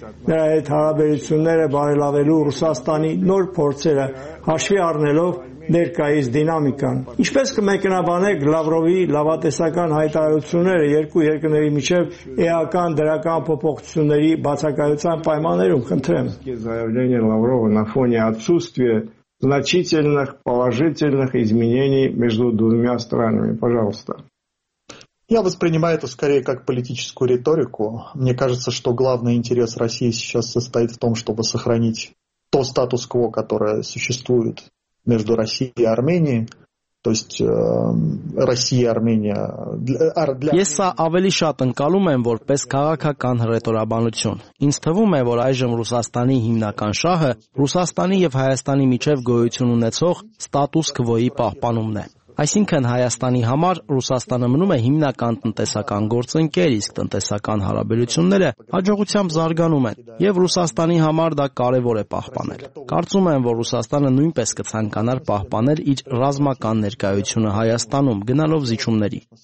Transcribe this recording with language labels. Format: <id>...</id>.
<hy>նրա հետ հարաբերությունները բարելավելու Ռուսաստանի նոր փորձերը, հաշվի առնելով ներկայիս դինամիկան։ Ինչպես կմեկնաբանեք Լավրովի լավատեսական հայտարարությունները երկու երկրների միջև էական դրական փոփոխությունների բացակայության պայմաններում, խնդրեմ։</hy> <ru>Заявление Лаврова на фоне отсутствия значительных положительных изменений между двумя странами, пожалуйста. Я воспринимаю это скорее как политическую риторику. Мне кажется, что главный интерес России сейчас состоит в том, чтобы сохранить то статус-кво, которое существует между Россией и Арменией. То есть Россия и Армения.</ru> <hy>Ես ավելի շատ ընկալում եմ որպես քաղաքական հռետորաբանություն։ Ինձ թվում է, որ այժմ Ռուսաստանի հիմնական շահը Ռուսաստանի և Հայաստանի միջև գոյություն ունեցող ստատուս-կվոյի պահպանումն է։ Այսինքն Հայաստանի համար Ռուսաստանը մնում է հիմնական տնտեսական գործընկեր, իսկ տնտեսական հարաբերությունները հաջողությամբ զարգանում են, և Ռուսաստանի համար դա կարևոր է պահպանել։ Կարծում եմ, որ Ռուսաստանը նույնպես կցանկանար պահպանել իր ռազմական ներկայությունը Հայաստանում գնալով զիջումների։</hy>